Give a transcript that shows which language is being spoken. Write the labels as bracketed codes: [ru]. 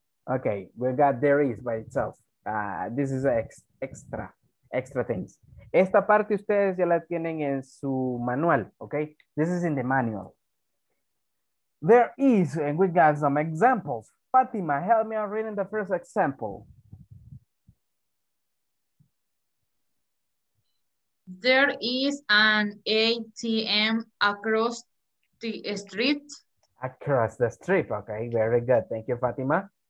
[en] Okay, we got there is by itself. This is extra. extra things. [es] Esta parte ustedes ya la tienen en su manual, okay? [en] This is in the manual. There is, and we got some examples. Fatima, help me out reading the first example. There is an ATM across the street. Across the street, okay, very good. Thank you, Fatima.